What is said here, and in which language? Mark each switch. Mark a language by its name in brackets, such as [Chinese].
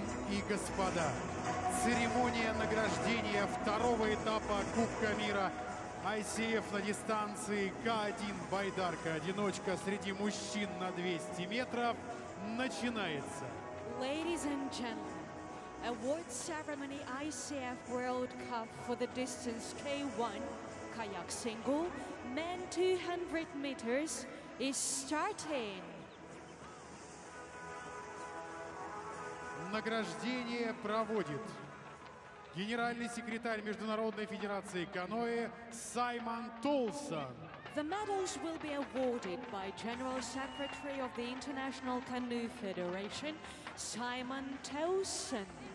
[Russian] и господа, церемония награждения второго этапа Кубка мира ICF на дистанции К1 байдарка одиночка среди мужчин на 200 метров начинается. [English] Ladies and gentlemen, award ceremony ICF World Cup for the distance K1 kayak single men 200 meters is starting. [Russian] Награждение проводит генеральный секретарь Международной федерации каноэ Саймон Толсон. [English] The medals will be awarded by General Secretary of the International Canoe Federation, Саймон Толсон.